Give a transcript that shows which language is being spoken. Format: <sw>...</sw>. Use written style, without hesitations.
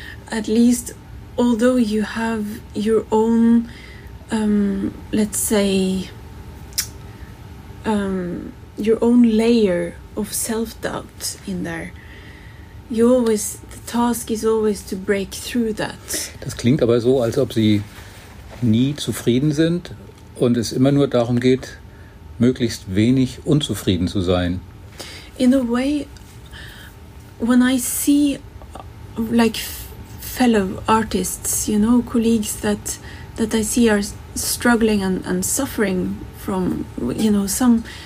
<en>At least, although you have your own, let's say, your own layer of self-doubt in there, the task is always to break through that.</en> <de>Das klingt aber so, als ob Sie nie zufrieden sind und es immer nur darum geht, möglichst wenig unzufrieden zu sein.</de> <en>In a way, when I see like fellow artists, you know, colleagues that I see are struggling and suffering from, you know, some</en>